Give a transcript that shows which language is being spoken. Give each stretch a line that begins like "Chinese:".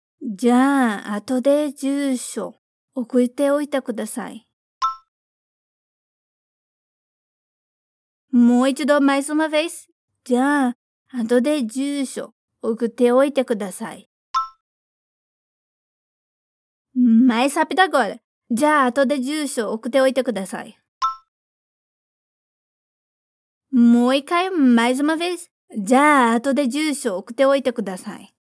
Japanese: じゃあ、あとで住所、送っておいてください。もう一度、
Portuguese: Mais uma vez。
Japanese: じゃあ、あとで住所、送っておいてください。
Portuguese: Mais rápido agora。
Japanese: じゃあ、あとで住所、送っておいてください。もう一回、
Portuguese: Mais uma vez。
Japanese: じゃあ、あとで住所、送っておいてください。